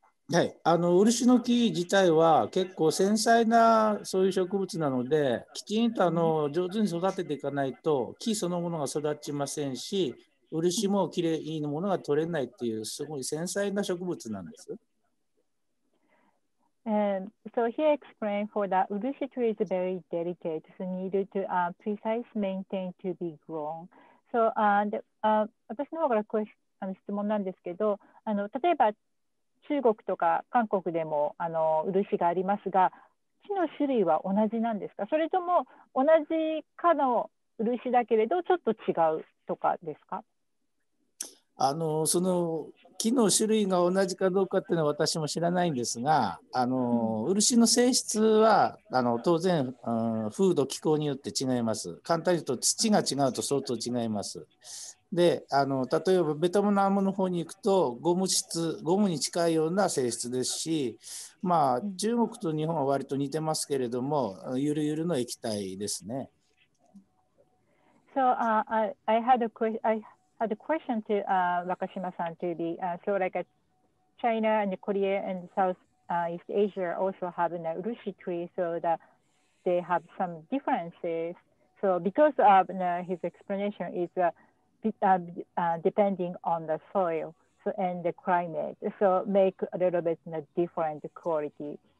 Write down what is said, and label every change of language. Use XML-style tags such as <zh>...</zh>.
<ja>漆の木自体は結構繊細なそういう植物なので、きちんと上手に育てていかないと木そのものが育ちませんし、漆もきれいなものが取れないっていう、すごい繊細な植物なんです。</ja> <en>And so he explained for that Urushi tree is very delicate, so needed to precise maintain to be grown. So, and</en> <ja>私の方から質問なんですけど、例えば中国とか韓国でも漆がありますが、木の種類は同じなんですか？それとも同じかの漆だけれどちょっと違うとかですか？その木の種類が同じかどうかっていうのは私も知らないんですが、漆の性質は当然、風土気候によって違います。簡単に言うと土が違うと相当違います。で、例えばベトナムの方に行くとゴムに近いような性質ですし、まあ中国と日本は割と似てますけれども、ゆるゆるの液体ですね。</ja> <en>So, I had a question to Wakashima-san to be so like China and Korea and South East Asia also have an urushi tree, so that they have some differences. So because of his explanation is depending on the soil and the climate, so make a little bit different quality.</en>